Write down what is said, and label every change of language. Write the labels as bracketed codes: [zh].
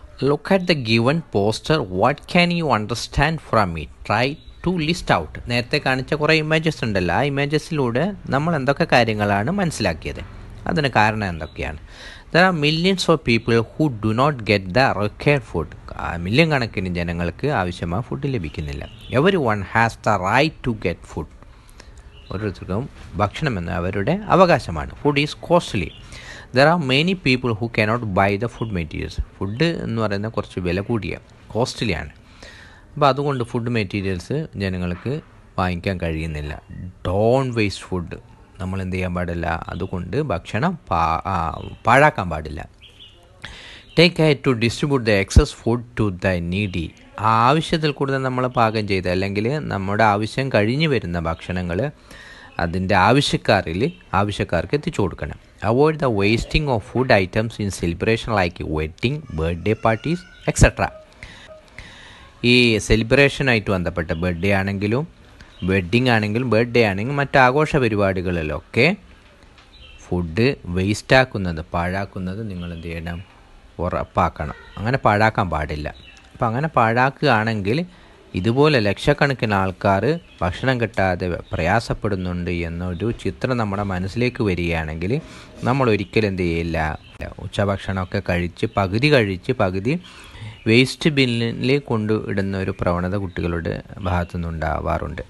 [en] Look at the given poster. What can you understand from it? Try to list out. [ml] നേരത്തെ കാണിച്ച കുറേ images ഉണ്ടല്ലോ, ആ ഇമേജസിലൂടെ നമ്മൾ എന്തൊക്കെ കാര്യങ്ങളാണ് മനസ്സിലാക്കിയത്, അതിന് കാരണം എന്തൊക്കെയാണ്. [en] There are millions of people who do not get the required food. [ml] Million കണക്കിന് ജനങ്ങൾക്ക് ആവശ്യമായ ഫുഡ് ലഭിക്കുന്നില്ല. [en] Everyone has the right to get food. [ml] ഓരോരുത്തർക്കും ഭക്ഷണം എന്ന അവരുടെ അവകാശമാണ്. [en] Food is costly. There are many people who cannot buy the food materials. [ml] Food എന്ന് പറയുന്നത് കുറച്ച് വില കൂടിയ കോസ്റ്റ്ലിയാണ്. അപ്പോൾ അതുകൊണ്ട് ഫുഡ് മെറ്റീരിയൽസ് ജനങ്ങൾക്ക് വാങ്ങിക്കാൻ കഴിയുന്നില്ല. [en] Don't waste food. [ml] നമ്മൾ എന്ത് ചെയ്യാൻ പാടില്ല, അതുകൊണ്ട് ഭക്ഷണം പാഴാക്കാൻ പാടില്ല. [en] Take care to distribute the excess food to the needy. [ml] ആവശ്യത്തിൽ കൂടുതൽ നമ്മൾ പാകം ചെയ്ത് അല്ലെങ്കിൽ നമ്മുടെ ആവശ്യം കഴിഞ്ഞ് വരുന്ന ഭക്ഷണങ്ങൾ അതിൻ്റെ ആവശ്യക്കാർക്ക് എത്തിച്ചു കൊടുക്കണം. [en] Avoid the wasting of food items in celebration like wedding, birthday parties, etc. [ml] ഈ സെലിബ്രേഷനായിട്ട് ബന്ധപ്പെട്ട ബർത്ത്ഡേ ആണെങ്കിലും വെഡിങ് ആണെങ്കിലും ബർത്ത്ഡേ ആണെങ്കിലും മറ്റ് ആഘോഷ പരിപാടികളിലൊക്കെ ഫുഡ് വേസ്റ്റാക്കുന്നത്, പാഴാക്കുന്നത് നിങ്ങൾ എന്ത് ചെയ്യണം, ഉറപ്പാക്കണം. അങ്ങനെ പാഴാക്കാൻ പാടില്ല. അപ്പോൾ അങ്ങനെ പാഴാക്കുകയാണെങ്കിൽ ഇതുപോലെ ലക്ഷക്കണക്കിന് ആൾക്കാർ ഭക്ഷണം കിട്ടാതെ പ്രയാസപ്പെടുന്നുണ്ട് എന്നൊരു ചിത്രം നമ്മുടെ മനസ്സിലേക്ക് വരികയാണെങ്കിൽ നമ്മൾ ഒരിക്കലും എന്ത് ചെയ്യില്ല, ഉച്ചഭക്ഷണമൊക്കെ കഴിച്ച് പകുതി വേസ്റ്റ് ബിന്നിൽ കൊണ്ടിടുന്ന ഒരു പ്രവണത കുട്ടികളുടെ ഭാഗത്തു നിന്നുണ്ടാവാറുണ്ട്.